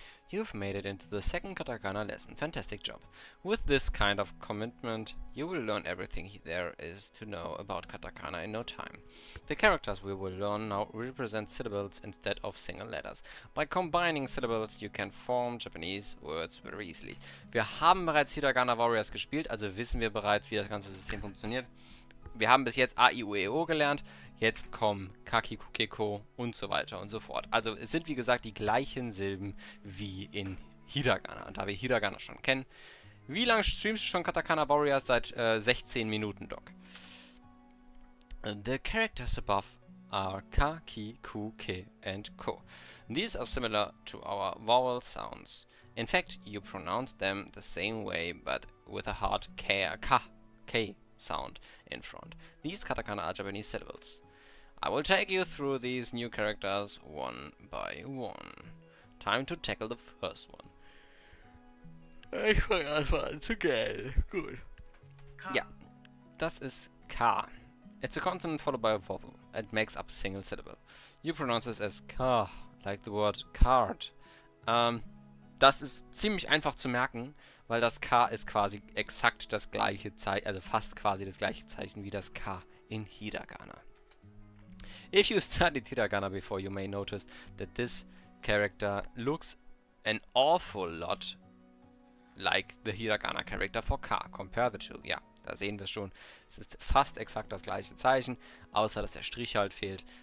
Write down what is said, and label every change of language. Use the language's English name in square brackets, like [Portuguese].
[English] You've made it into the second katakana lesson. Fantastic job. With this kind of commitment, you will learn everything there is to know about katakana in no time. The characters we will learn now represent syllables instead of single letters. By combining syllables, you can form Japanese words very easily. [German] Wir haben bereits Hiragana Warriors gespielt, also wissen wir bereits, wie das ganze System funktioniert. Wir haben bis jetzt A, I, U, E, O gelernt. Jetzt kommen Kaki, Kukeko und so weiter und so fort. Also es sind wie gesagt die gleichen Silben wie in Hiragana. Und da wir Hiragana schon kennen. Wie lange streamst du schon Katakana Warriors? Seit 16 Minuten, Doc. [English] The characters above are Kaki, Kuke and Ko. These are similar to our vowel sounds. In fact, you pronounce them the same way, but with a hard K, K, K sound in front. These katakana are Japanese syllables. I will take you through these new characters one by one. Time to tackle the first one. [German] Ich fange erstmal an zu gelten. Gut. Ja, das ist K. [English] It's a consonant followed by a vowel. It makes up a single syllable. You pronounce this as K, like the word card. [German] Das ist ziemlich einfach zu merken, weil das K ist quasi exakt das gleiche Zeichen, also fast quasi das gleiche Zeichen wie das K in Hiragana. [English] If you studied Hiragana before, you may notice that this character looks an awful lot like the Hiragana character for K. Compare the two. [German] Ja, da sehen wir schon. Es ist fast exakt das gleiche Zeichen, außer dass der Strich halt fehlt.